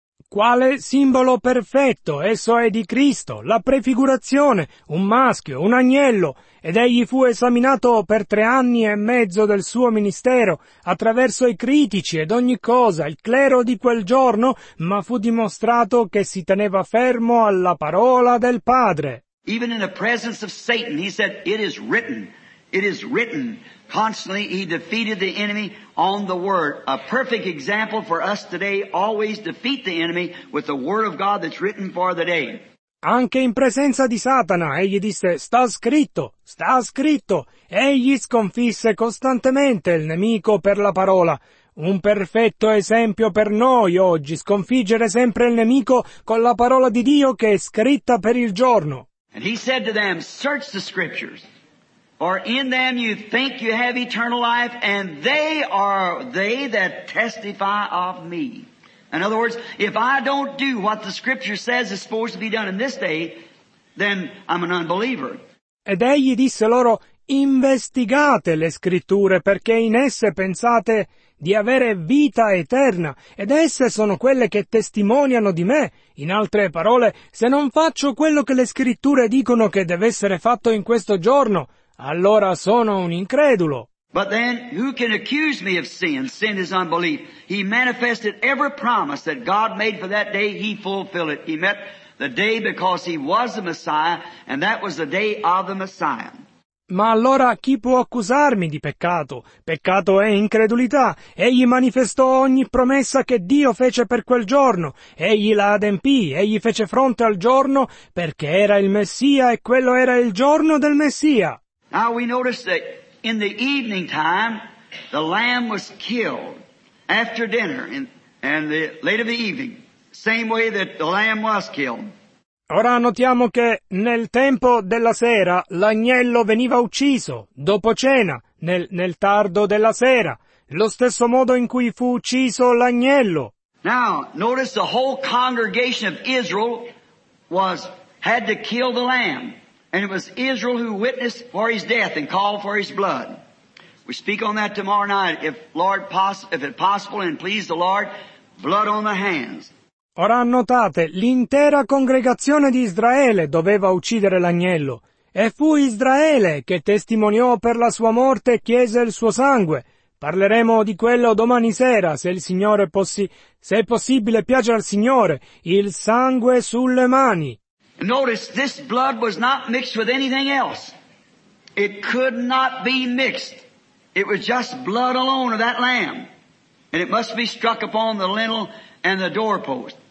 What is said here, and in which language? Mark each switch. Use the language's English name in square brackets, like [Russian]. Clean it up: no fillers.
[Italian] Quale simbolo perfetto, esso è di Cristo, la prefigurazione, un maschio, un agnello, ed egli fu esaminato per 3.5 anni del suo ministero, attraverso i critici ed ogni cosa, il clero di quel giorno, ma fu dimostrato che si teneva fermo alla parola del Padre. [English] Even in the presence of Satan, he said, it is written, constantly he defeated the enemy on the word. A perfect example for us today, always defeat the enemy with the word of God that's written for the day. [Italian] Anche in presenza di Satana, egli disse, sta scritto, sta scritto. Egli sconfisse costantemente il nemico per la parola. Un perfetto esempio per noi oggi, sconfiggere sempre il nemico con la parola di Dio che è scritta per il giorno. [English] And he said to them, search the scriptures. For in them you think you have eternal life, and they are they that testify of me. In other words, if I don't do what the scripture says is supposed to be done in this day, then I'm an unbeliever. [Italian] Ed egli disse loro, investigate le scritture, perché in esse pensate di avere vita eterna, ed esse sono quelle che testimoniano di me. In altre parole, se non faccio quello che le scritture dicono che deve essere fatto in questo giorno, allora sono un incredulo. [English] But then, who can accuse me of sin? Sin is unbelief. He manifested every promise that God made for that day, he fulfilled it. He met the day because he was the Messiah, and that was the day of the Messiah. [Italian] Ma allora chi può accusarmi di peccato? Peccato è incredulità. Egli manifestò ogni promessa che Dio fece per quel giorno. Egli la adempì, egli fece fronte al giorno, perché era il Messia e quello era il giorno del Messia. [English] Now we notice that in the evening time, the lamb was killed after dinner and the late of the evening, same way that the lamb was killed. [Italian] Ora notiamo che nel tempo della sera l'agnello veniva ucciso, dopo cena, nel tardo della sera, lo stesso modo in cui fu ucciso l'agnello. [English] Now notice the whole congregation of Israel had to kill the lamb. And it was Israel who witnessed for his death and called for his blood. We speak on that tomorrow night, if it possible and please the Lord, blood on the hands. [Italian] Ora notate, l'intera congregazione di Israele doveva uccidere l'agnello. E fu Israele che testimoniò per la sua morte e chiese il suo sangue. Parleremo di quello domani sera, se è possibile piace al Signore, il sangue sulle mani. [English] Notice, this blood was not mixed with anything else. It could not be mixed. It was just blood alone of that lamb. And it must be struck upon the lintel and the doorpost.